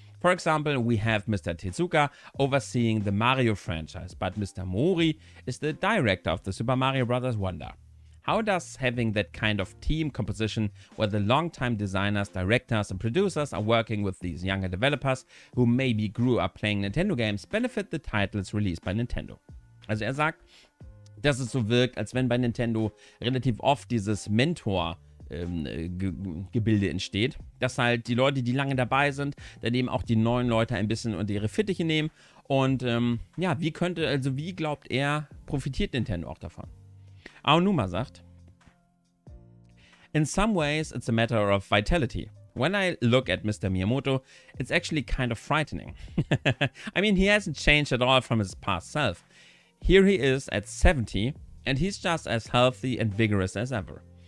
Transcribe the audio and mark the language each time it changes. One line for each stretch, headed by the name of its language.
English: For example, we have Mr. Tezuka overseeing the Mario franchise, but Mr. Mori is the director of the Super Mario Bros. Wonder. How does having that kind of team composition where the longtime designers, directors and producers are working with these younger developers who maybe grew up playing Nintendo games benefit the titles released by Nintendo?
German: Also sagt, dass es so wirkt, als wenn bei Nintendo relativ oft dieses Mentor-Gebilde entsteht, dass halt die Leute, die lange dabei sind, dann eben auch die neuen Leute ein bisschen unter ihre Fittiche nehmen und wie glaubt er, profitiert Nintendo auch davon? Aonuma sagt,
English: in some ways it's a matter of vitality. When I look at Mr. Miyamoto, it's actually kind of frightening. I mean, he hasn't changed at all from his past self. Here he is at 70 and he's just as healthy and vigorous as ever.